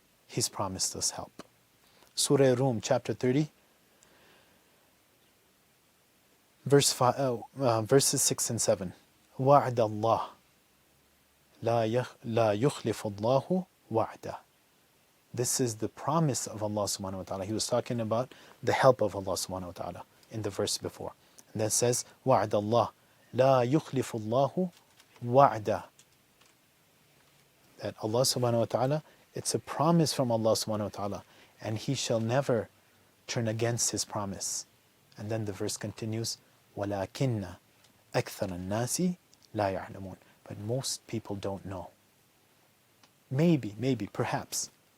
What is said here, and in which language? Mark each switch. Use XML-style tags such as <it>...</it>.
<en>He's promised us help. Surah Rum, chapter 30, verses 6 and 7.</en> <ar>وَعْدَ اللَّهُ لَا يُخْلِفُ اللَّهُ وَعْدَ.</ar> <en>This is the promise of Allah subhanahu wa ta'ala. He was talking about the help of Allah subhanahu wa ta'ala in the verse before. And that says,</en> <ar>وَعْدَ اللَّهُ لَا يُخْلِفُ اللَّهُ وَعْدَ.</ar> <en>That Allah subhanahu wa ta'ala, it's a promise from Allah subhanahu wa ta'ala, and he shall never turn against his promise. And then the verse continues,</en> <ar>وَلَكِنَّ أَكْثَرَ النَّاسِ لَا يَعْلَمُونَ.</ar> <en>But most people don't know. Maybe, perhaps.</en>